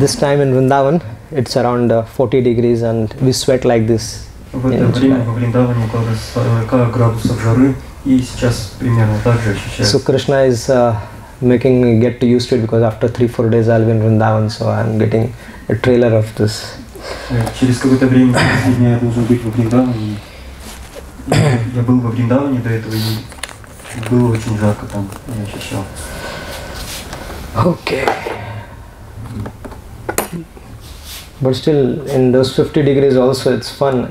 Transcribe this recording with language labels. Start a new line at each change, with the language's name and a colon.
English: this time in Vrindavan, it's around 40 degrees and we sweat like this. So Krishna is making me get used to it, because after 3-4 days I'll be in Vrindavan, so I'm getting a trailer of this.
Russian: Через какое-то время я должен быть во Вриндаване. Я был во Вриндаване до этого и было очень жарко там, я ощущал.
English: Okay. But still, in those 50 degrees also, it's fun.